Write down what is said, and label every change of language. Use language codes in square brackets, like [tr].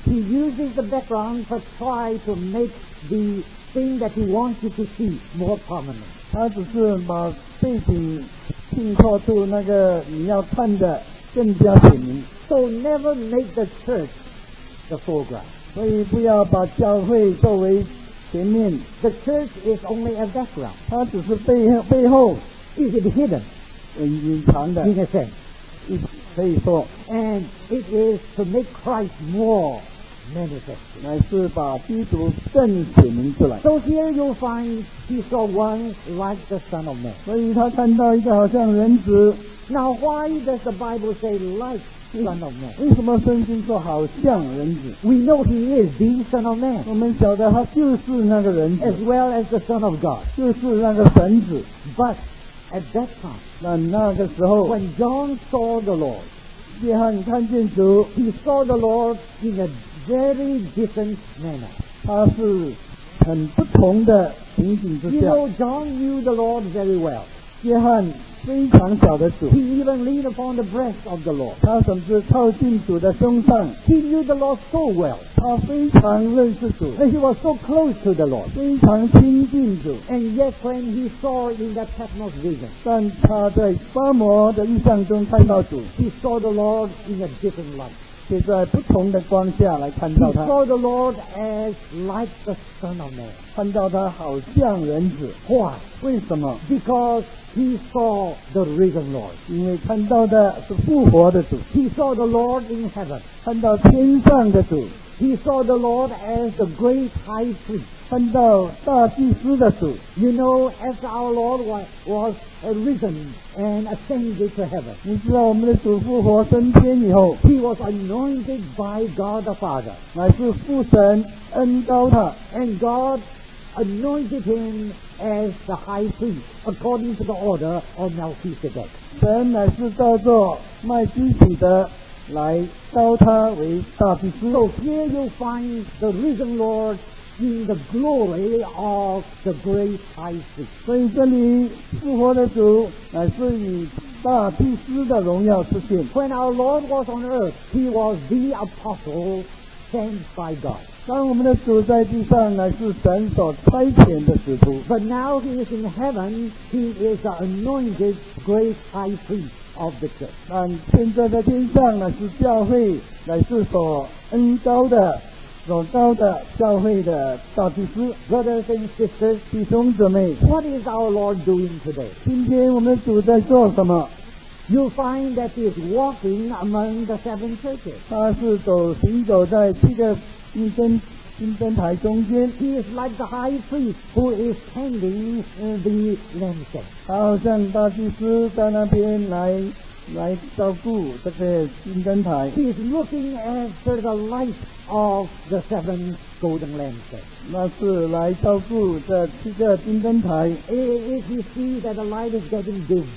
[en] He uses the background to try to make the thing that he wants you to see more prominent. [zh] 他只是把背景衬托出那个你要看的更加显明。 [en] So never make the church the foreground. [zh] 所以不要把教会作为前面 [en] The church is only a background. [zh] 它只是背后 [en] Is it hidden? [zh] 隐藏的 [en] In a sense. [zh] 可以说 [en] And it is to make Christ more manifest. [zh] 乃是把基督更显明出来。 [en] So here you'll find he saw one like the Son of Man. [zh] 所以他看到一个好像人子。 [en] Now why does the Bible say like Son of Man? [zh] 为什么圣经说好像人子？ [en] We know he is the Son of Man. [zh] 我们晓得他就是那个人子。 [en] As well as the Son of God. [zh] 就是那个神子。 [en] But at that time, [zh] 那个时候 [en] when John saw the Lord, [zh] 约翰看见主 [en] he saw the Lord in a very different manner. [zh] 他是很不同的情景之下。 [en] You know, John knew the Lord very well. [zh] 约翰非常小的主 [en] He even leaned upon the breast of the Lord [zh] 他甚至靠近主的胸上 [en] He knew the Lord so well [zh] 他非常认识主 [en] And he was so close to the Lord [zh] 非常亲近主 [en] And yet when he saw in that Patmos vision [zh] 但他在巴摩的印象中看到主 [en] He saw the Lord in a different light [zh] 是在不同的光下来看到他。 [en] He saw the Lord as like the Son of Man. [zh] 看到他好像人子。 [en] Why? [zh] 为什么？ [en] Because he saw the risen Lord. [zh] 因为看到的是复活的主。 [en] He saw the Lord in heaven. [zh] 看到天上的主。 [en] He saw the Lord as the great high priest. [zh] 看到大祭司的主。 [en] You know, as our Lord was risen and ascended to heaven. [zh] 你知道我们的主复活升天以后。 [en] He was anointed by God the Father. [zh] 乃是父神恩膏他。 [en] And God anointed him as the high priest according to the order of Melchizedek. [zh] 神乃是叫做麦基洗德。来召他为大祭司。 [en] So here you find the risen Lord in the glory of the great high priest. [zh] 所以这里复活的主乃是以大祭司的荣耀出现。 [en] When our Lord was on earth, he was the apostle sent by God. [zh] 当我们的主在地上乃是神所差遣的使徒。 [en] But now he is in heaven, he is the anointed great high priest. Of the church. [zh] 但现在在天上呢，是教会乃是所恩高的、所高的教会的大祭司。 [en] Brothers and sisters, [zh] 弟兄姊妹 [en] ，What is our Lord doing today? [zh] 今天我们主在做什么 [en] ？You find that he is walking among the seven churches. [zh] 他是走行走在七个一生。金灯台中间 [en] He is like the high priest who is tending the lampstand. [zh] 他好像大祭司在那边来照顾这个金灯台 [en] He is looking after the light of the seven golden lampstands. [zh] 那是来照顾这七个金灯台 [en] If you see that the light is getting dim,